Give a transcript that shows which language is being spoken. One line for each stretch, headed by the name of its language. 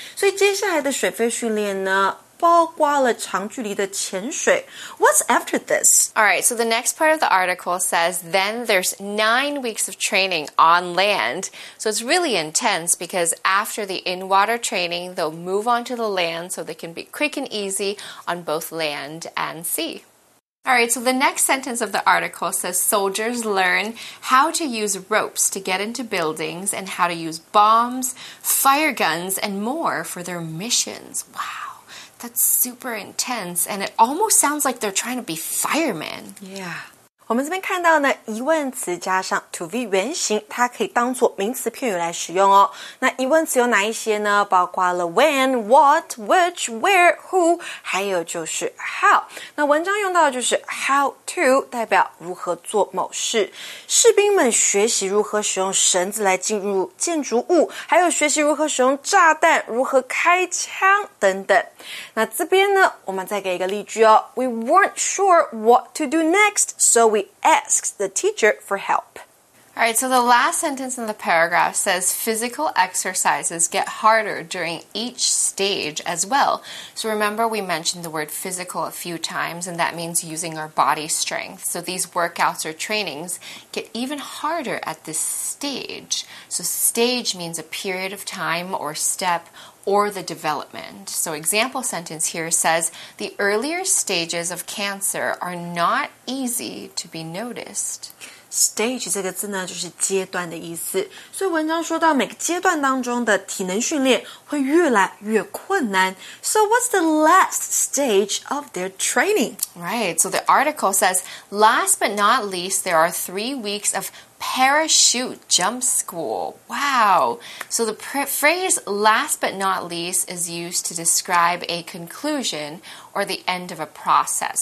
Chinese: 所以接下来的水肺训练呢包括了长距离的潜水。
English: What's after this? All right, so the next part of the article says, then there's 9 weeks of training on land. So it's really intense because after the in-water training, they'll move on to the land so they can be quick and easy on both land and sea. All right, so the next sentence of the article says, soldiers learn how to use ropes to get into buildings and how to use bombs, fire guns, and more for their missions. Wow. That's super intense, and it almost sounds like they're trying to be firemen. Yeah.
Chinese: 我们这边看到呢，疑问词加上 to be 原形，它可以当作名词片语来使用哦。那疑问词有哪一些呢？包括了 when, what, which, where, who, 还有就是 how。那文章用到的就是 how to, 代表如何做某事。士兵们学习如何使用绳子来进入建筑物，还有学习如何使用炸弹，如何开枪等等。那这边呢，我们再给一个例句哦。
English: We weren't sure what to do next, so we asked the teacher for help. All right, so the last sentence in the paragraph says physical exercises get harder during each stage as well. So remember we mentioned the word physical a few times, and that means using our body strength. So these workouts or trainings get even harder at this stage. So stage means a period of time or step,or the development. So example sentence here says, the earlier stages of cancer are not easy to be noticed.
Chinese: Stage 这个字呢就是阶段的意思。所以文章说到每个阶段当中的体能训练会越来越困难。
English: So what's the last stage of their training? Right, so the article says, last but not least, there are 3 weeks of parachute jump school. Wow. So the phrase last but not least is used to describe a conclusion or the end of a process.